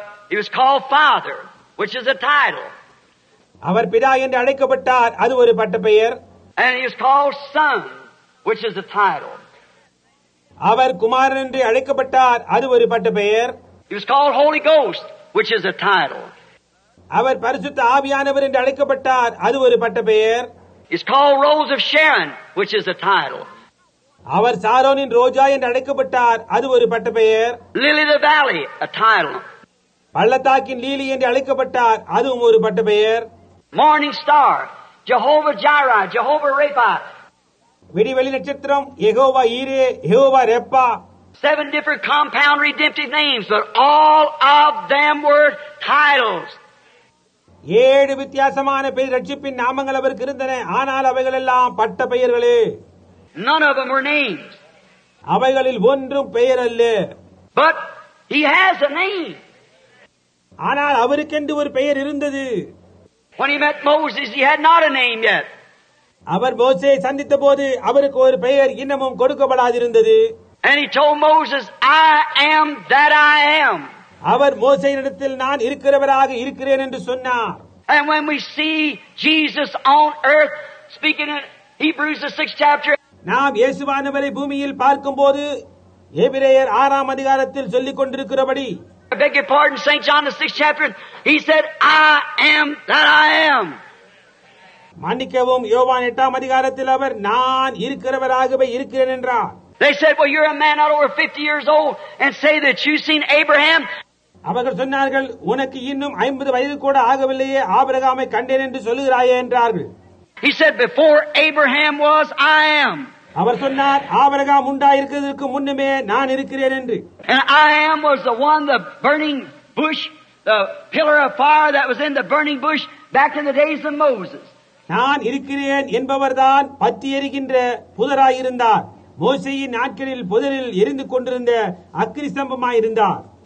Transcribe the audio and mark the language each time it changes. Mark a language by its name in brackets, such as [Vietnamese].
[English] He was called Father, which is a title. [Tamil] அவர் பிதா என்று அழைக்கப்பட்டார், அது ஒரு பட்டப்பெயர். [English] And he is called Son, which is a title. [Tamil] அவர் குமாரன் என்று அழைக்கப்பட்டார், அது ஒரு பட்டப்பெயர். [English] He was called Holy Ghost, which is a title. [Tamil] அவர் பரிசுத்த ஆவியானவர் என்று அழைக்கப்பட்டார், அது ஒரு பட்டப்பெயர். [English] He is called Rose of Sharon, which is a title. [Tamil] அவர் சாரோனின் ரோஜா என்று அழைக்கப்பட்டார், அது ஒரு பட்டப்பெயர். [English] Lily of the Valley, a title. [Tamil] பள்ளத்தாக்கின் லீலி என்று அழைக்கப்பட்டார், அதுவும் ஒரு பட்டப்பெயர். [English] Morning Star, Jehovah Jireh, Jehovah Rapha. [Tamil] விடிவெளி நட்சத்திரம், யெகோவா ஈரே, Jehovah Repa. [English] Seven different compound redemptive names, but all of them were titles. [Tamil] ஏழு வித்தியாசமான பெயர் ரட்சிப்பின் நாமங்கள் அவருக்கு இருந்தன, ஆனால் அவைகள் எல்லாம் பட்ட பெயர்களே. [English] None of them were names. [Tamil] அவைகளில் ஒன்றும் பெயர் அல்ல. [English] But he has a name. [Tamil] ஆனால் அவருக்கென்று ஒரு பெயர் இருந்தது. [English] When he met Moses, he had not a name yet. [Tamil] அவர் மோசேயை சந்தித்த போது அவருக்கு ஒரு பெயர் இன்னமும் கொடுக்கப்படாதிருந்தது. [English] And he told Moses, I am that I am. [Tamil] அவர் மோசேயினிடத்தில் நான் இருக்கிறவராக இருக்கிறேன் என்று சொன்னார். [English] And when we see Jesus on earth speaking in Hebrews the 6th chapter, [Tamil] நாம் இயேசுவானவரை பூமியில் பார்க்கும்போது எபிரேயர் 6 அதிகாரத்தில் சொல்லிக் கொண்டிருக்கிறபடி, [English] I beg your pardon, St. John, the 6th chapter, he said, I am that I am. [Tamil] மன்னிக்கவும், யோவான் 8 அதிகாரத்தில் அவர் நான் இருக்கிறவராகவே இருக்கிறேன் என்றார். [English] They said, well, you're a man out over 50 years old and say that you've seen Abraham. [Tamil] அவர்கள் சொன்னார்கள், உனக்கு இன்னும் 50 வயது கூட ஆகவில்லையே, ஆபிரகாமை கண்டேன் என்று சொல்லுகிறாயே என்றார்கள். [English] He said, before Abraham was, I am. [Tamil] அவர் சொன்னார், ஆபிரகாம் உண்டாயிருக்கிறதுக்கு முன்னுமே நான் இருக்கிறேன் என்று. [English] And I am was the one, the burning bush, the pillar of fire that was in the burning bush back in the days of Moses. [Tamil] நான் இருக்கிறேன் என்பவர்தான் பத்தி எரிகின்ற புதராயிருந்தார், மோசேயின் நாட்களில் புதரில் எரிந்து கொண்டிருந்த அக்னிஸ்தம்பமாயிருந்தார்.